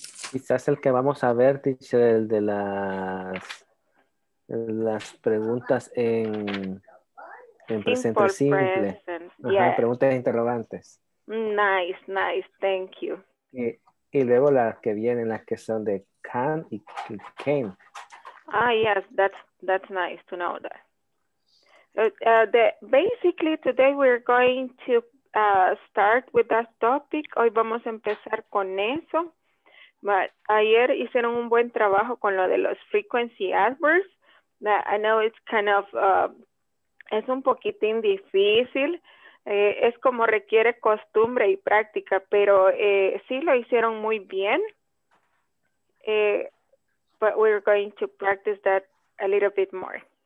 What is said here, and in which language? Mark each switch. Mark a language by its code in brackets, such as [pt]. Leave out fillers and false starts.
[es] Quizás el que vamos a ver, teacher, el de las preguntas en presente simple. Ajá, yes. Preguntas e interrogantes. [en] Nice, nice, thank you. [es] Y luego las que vienen, las que son de can y came. [en] Ah, yes, that's nice to know that. Basically, today we're going to start with that topic. [es] Hoy vamos a empezar con eso. But ayer hicieron un buen trabajo con lo de los frequency adverbs. [en] I know it's kind of, [es] es un poquitín difícil. Es como requiere costumbre y práctica, pero sí lo hicieron muy bien. [en] But we're going to practice that a little bit more.